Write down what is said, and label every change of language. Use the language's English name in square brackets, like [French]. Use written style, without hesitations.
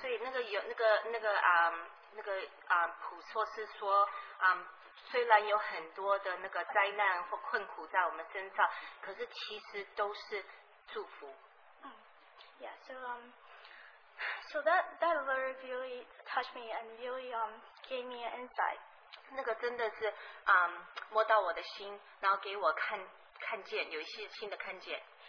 [Chinese] 所以那个普说是说，虽然有很多的那个灾难或困苦在我们身上，可是其实都是祝福。 [English] Yeah. So that lyric really touched me and really gave me an insight. [Chinese] 那个真的是摸到我的心，然后给我看见，有一些新的看见。